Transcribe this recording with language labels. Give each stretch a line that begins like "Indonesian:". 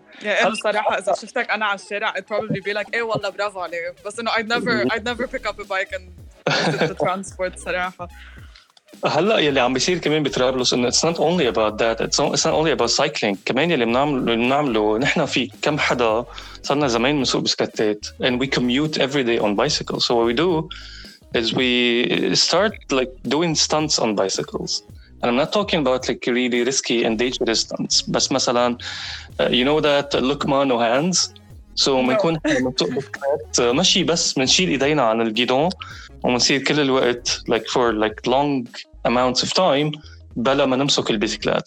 Arabic: Yeah, إنه صراحة إذا شفتك أنا على الشارع,
English: I'd probably be like,
Arabic: إيه والله برافو عليك.
English: But you know, I'd never pick up a bike and use the transport صراحة.
Arabic: هلا يلي عم بيصير كمان بترابلس إنه
English: it's not only about that, it's not only about cycling.
Arabic: كمان يلي بنعمله نحنا في كم حدا صرنا زمان بنسوق بسكتات,
English: and we commute every day on bicycle. So what we do is we start like doing stunts on bicycles. And I'm not talking about like really risky and dangerous stunts.
Arabic: بس مثلا,
English: you know that Luqman no hands?
Arabic: So بنكون ماشي بس بنشيل ايدينا عن الجيدون وبنصير كل الوقت
English: like for like long amounts of time
Arabic: بلا ما نمسك البيسكلات.